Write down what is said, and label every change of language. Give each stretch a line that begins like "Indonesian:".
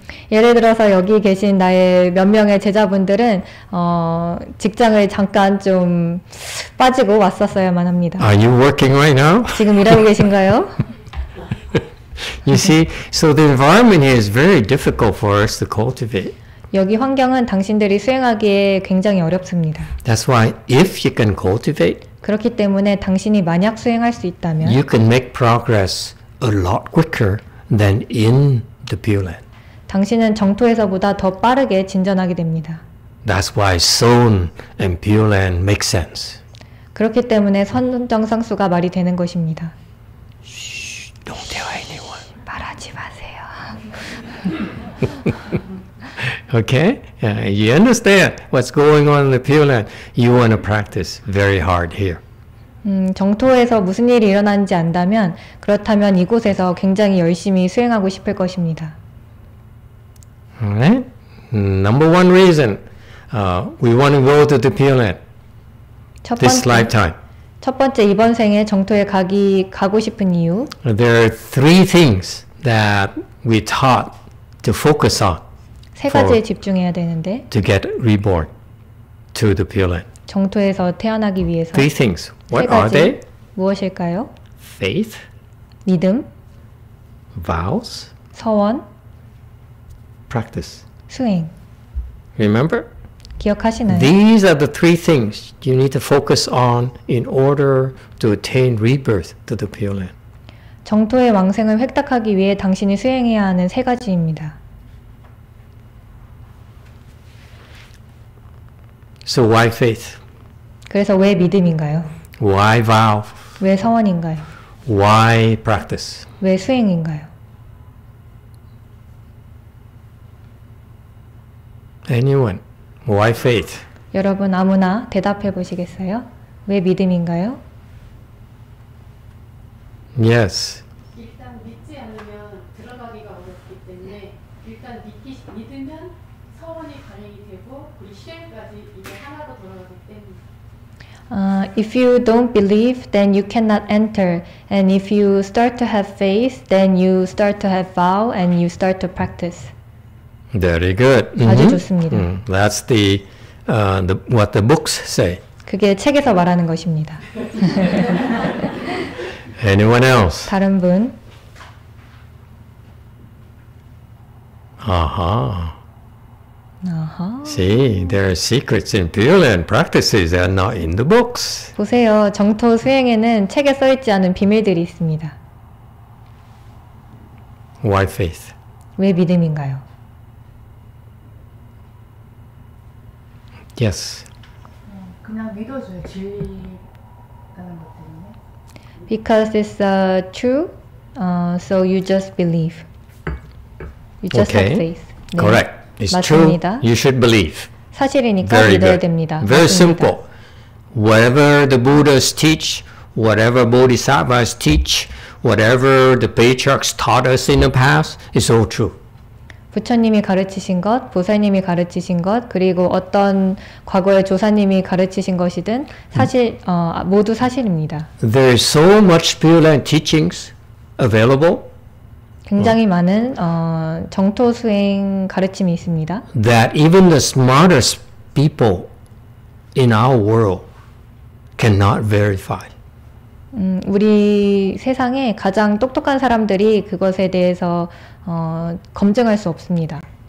Korean: 예를 들어서 여기 계신 나의 몇 명의 제자분들은 직장을 잠깐 좀 빠지고 왔었어야만 합니다.
English: Are you working right now?
Korean: 지금 일하고 계신가요?
English: You see, so the environment here is very difficult for us to cultivate.
Korean: 여기 환경은 당신들이 수행하기에 굉장히 어렵습니다.
English: That's why if you can cultivate,
Korean: 그렇기 때문에 당신이 만약 수행할 수 있다면,
English: you can make progress a lot quicker than in the Pure Land.
Korean: 당신은 정토에서보다 더 빠르게 진전하게 됩니다.
English: That's why Son and Pure Land make sense.
Korean: 그렇기 때문에 선정상수가 말이 되는 것입니다.
English: Don't tell anyone.
Korean: 말하지 마세요.
English: Okay? Yeah, you understand what's going on in the Pure Land. You want to practice very hard here.
Korean: 정토에서 무슨 일이 일어난지 안다면 그렇다면 이곳에서 굉장히 열심히 수행하고 싶을 것입니다.
English: Right? Number one reason we want to go to the Pure Land this lifetime.
Korean: 첫 번째, 이번 생에 정토에 가고 싶은 이유.
English: There are three things that we taught to focus on.
Korean: 세 가지에 집중해야 되는데.
English: To get reborn to the Pure Land.
Korean: 정토에서 태어나기 위해서.
English: Three things. What are they?
Korean: 무엇일까요?
English: Faith.
Korean: 믿음.
English: Vows.
Korean: 서원.
English: Practice.
Korean: 수행.
English: Remember?
Korean: 기억하시나요?
English: These are the three things you need to focus on in order to attain rebirth to the Pure Land.
Korean: 정토의 왕생을 획득하기 위해 당신이 수행해야 하는 세 가지입니다.
English: So why faith?
Korean: 그래서 왜 믿음인가요?
English: Why vow?
Korean: 왜 서원인가요?
English: Why practice?
Korean: 왜 수행인가요?
English: Anyone? Why faith?
Korean: 여러분 아무나 대답해 보시겠어요? 왜 믿음인가요?
English: Yes.
Korean: 일단 믿지 않으면 들어가기가 어렵기 때문에 일단 믿으면 서원이 반영이 되고 우리 실행까지 이게 하나로 돌아가기 때문에.
English: If you don't believe, then you cannot enter. And if you start to have faith, then you start to have vow, and you start to practice. Very good.
Korean: Mm-hmm. 아주 좋습니다. Mm.
English: That's the what the books say.
Korean: 그게 책에서 말하는 것입니다.
English: Anyone else?
Korean: 다른 분. 아하.
English: See, there are secrets in Pure Land practices that are not in the books.
Korean: 보세요, 정토 수행에는 책에 써 있지 않은 비밀들이 있습니다.
English: Why faith?
Korean: 왜 믿음인가요?
English: Yes.
Korean: 그냥 믿어줘요, 진리라는 것 때문에.
English: Because it's true, so you just believe. You just okay. have faith. Yeah. Correct. It's
Korean: 맞습니다.
English: true. You should believe.
Korean: 사실이니까
English: Very
Korean: 믿어야
English: good.
Korean: 됩니다.
English: Very
Korean: 맞습니다.
English: simple. Whatever the Buddhas teach, whatever Bodhisattvas teach, whatever the patriarchs taught us in the past, it's all true.
Korean: 부처님이 가르치신 것, 보살님이 가르치신 것, 그리고 어떤 과거의 조사님이 가르치신 것이든 사실 모두 사실입니다.
English: There is so much Pure Land teachings available.
Korean: 굉장히 많은 정토 수행 가르침이 있습니다.
English: That even the smartest people in our world cannot verify.
Korean: 우리 세상에 가장 똑똑한 사람들이 그것에 대해서 검증할 수 없습니다.